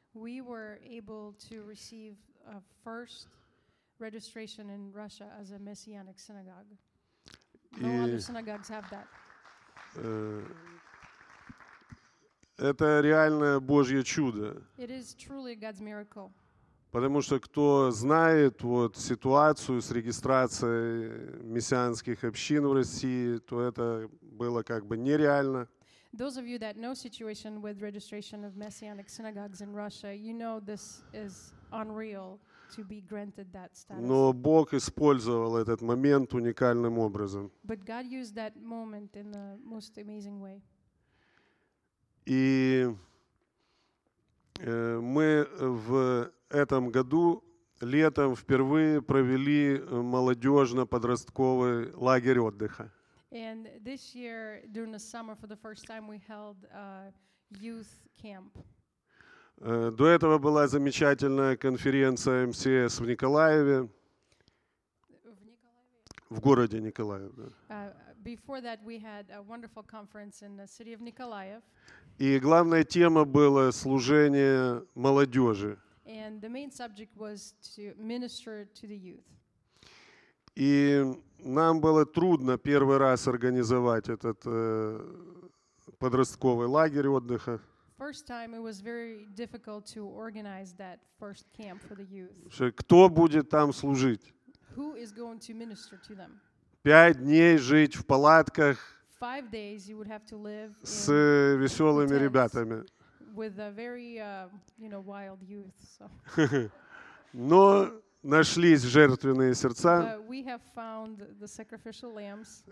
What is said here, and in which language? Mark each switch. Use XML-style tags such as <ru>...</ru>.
<en>We were able to receive a first registration in Russia as a messianic synagogue. No other synagogues have that.</en> <ru>Это реальное Божье чудо.</ru> <en>It is truly God's miracle.</en> <ru>Потому что кто знает вот ситуацию с регистрацией мессианских общин в России, то это было как бы нереально.</ru> <en>Those of you that know situation with registration of messianic synagogues in Russia, you know this is unreal to be granted that status.</en> <ru>Но Бог использовал этот момент уникальным образом.</ru> <en>But God used that moment in the most amazing way.</en> <ru>И мы в этом году летом впервые провели молодежно-подростковый лагерь отдыха.</ru> <en>And this year, during the summer, for the first time, we held a youth camp.</en> <ru>До этого была замечательная конференция МСС в Николаеве. В городе Николаев.</ru> <en>Before that, we had a wonderful conference in the city of Nikolaev.</en> <ru>И главная тема была служение молодежи.</ru> <en>And the main subject was to minister to the youth.</en> <ru>И нам было трудно первый раз организовать этот подростковый лагерь отдыха.</ru> <en>First time it was very difficult to organize that first camp for the youth.</en> <ru>Кто будет там служить?</ru> <en>Who is going to minister to them?</en> <ru>5 дней жить в палатках.</ru> <en>5 days you would have to live</en> <ru>с веселыми ребятами.</ru> <en>With a very, you know, wild youth. So.</en> <ru>Но нашлись жертвенные сердца.</ru> <en>We have found the sacrificial lambs.</en>